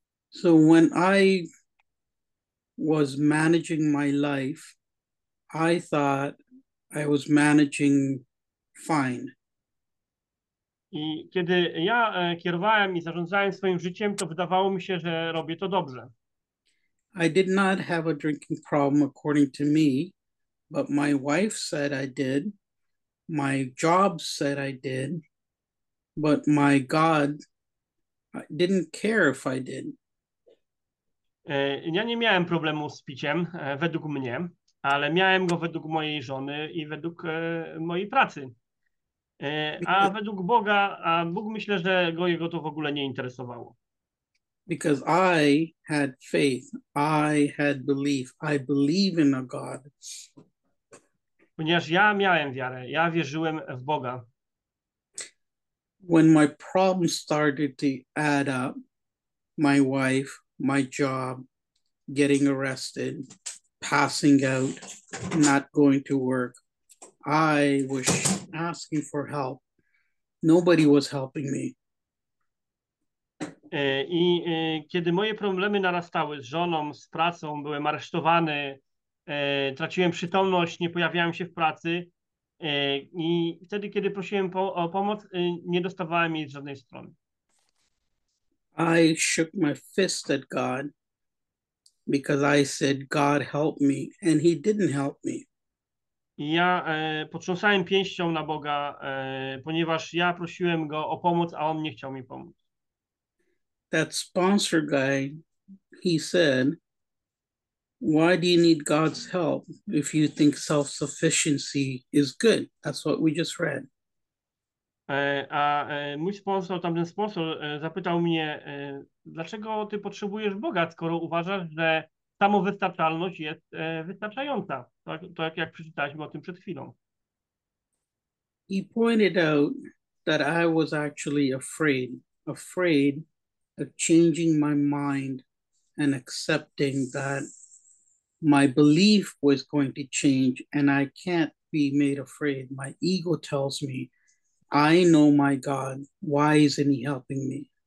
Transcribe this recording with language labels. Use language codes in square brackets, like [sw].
[en] So when I was managing my life, I thought I was managing fine. [pl] I kiedy ja kierowałem i zarządzałem swoim życiem, to wydawało mi się, że robię to dobrze. [en] I did not have a drinking problem according to me, but my wife said I did, my job said I did, but my God didn't care if I did. [pl] Ja nie miałem problemu z piciem według mnie, ale miałem go według mojej żony i według mojej pracy. A według Boga, a Bóg myślę, że go to w ogóle nie interesowało. [en] Because I had faith, I had belief, I believe in a God. [pl] Ponieważ ja miałem wiarę, ja wierzyłem w Boga. [en] When my problems started to add up, my wife, my job, getting arrested, passing out, not going to work, I was asking for help. Nobody was helping me. [pl] I kiedy moje problemy narastały z żoną, z pracą, byłem aresztowany, traciłem przytomność, nie pojawiałem się w pracy. I wtedy, kiedy prosiłem o pomoc, nie dostawałem jej z żadnej strony. [en] I shook my fist at God because I said, God help me, and he didn't help me. [pl] Ja potrząsałem pięścią na Boga, ponieważ ja prosiłem go o pomoc, a on nie chciał mi pomóc. [en] That sponsor guy, he said, why do you need God's help if you think self-sufficiency is good? That's what we just read. [pl] A mój sponsor, tamten sponsor zapytał mnie, dlaczego ty potrzebujesz Boga, skoro uważasz, że samowystarczalność jest wystarczająca. To jak przeczytaliśmy o tym przed chwilą. [en] He pointed out that I was actually afraid of changing my mind and accepting that my belief was going to change and I can't be made afraid. My ego tells me, I know my God, why isn't he helping me?